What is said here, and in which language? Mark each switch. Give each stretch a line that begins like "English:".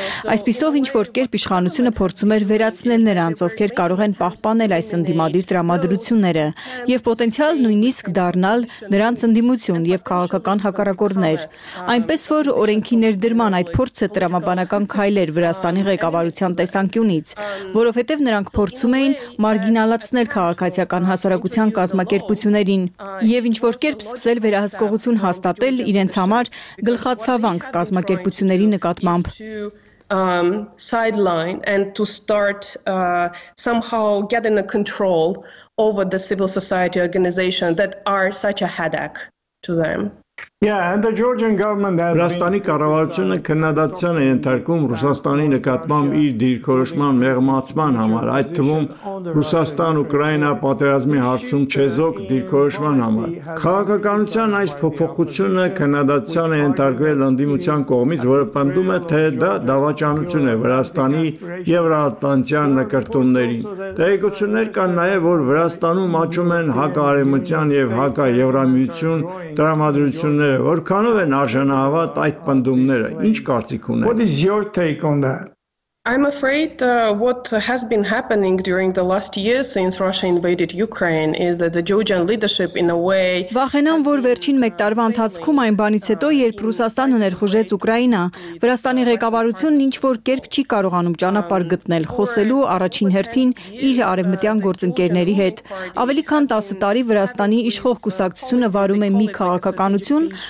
Armenian: Այսպիսով, ինչ որ կերպ իշխանությունը փորձում էր վերացնել նրանց, ովքեր կարող են պահպանել այս ընդդիմադիր դրամադրությունները եւ պոտենցիալ նույնիսկ դառնալ նրանց ընդդիմություն եւ քաղաքական հակառակորդներ։ Այնպես որ օրենքի ներդրման այդ փորձը տրամաբանական քայլ էր Վրաստանի ղեկավարության տեսանկյունից, որովհետեւ նրանք փորձում էին մարգինալացնել քաղաքացիական հասարակության կազմակերպություններին եւ ինչ որ կերպ սկսել վերահսկողություն հաստատել իրենց համար գլխացավանք կազմակերպությունների նկատմամբ։
English: Sideline and to start somehow getting a control over the civil society organization that are such a headache to them.
Armenian: Ռուսաստանի կառավարությունը քննադատության է ենթարկում Ռուսաստանի նկատմամբ իր դիրքորոշման մեղմացման համար, այդ թվում Ռուսաստան-Ուկրաինա պատերազմի հարցում չեզոք դիրքորոշման համար։ Քաղաքականության այս փոփոխությունը քննադատության է ենթարկվել ընդդիմության կողմից, որը պնդում է, թե դա դավաճանություն է Վրաստանի Եվրատլանտյան նկարտումներին։ Տեղեկություններ կան նաև, որ Վրաստանում աճում են հակաարեմության և հակաևրամիություն տրամադրությունները։ Որքանով են արժանահավատ այդ պնդումները, ինչ կարծիք ունեք։
English: What is your take on that? I'm afraid what has been happening during the last year since Russia invaded Ukraine is that the Georgian leadership in a way
Armenian: Վախենամ, որ վերջին 1 տարվա ընթացքում այն բանից հետո, երբ Ռուսաստանը ներխուժեց Ուկրաինա, Վրաստանի ղեկավարությունն ինչ-որ կերպ չի կարողանում ճանապարհ գտնել խոսելու առաջին հերթին իր արևմտյան գործընկերների հետ։ Ավելի քան 10 տարի Վրաստանի իշխող կուսակցությունը վարում է մի քաղաքականություն,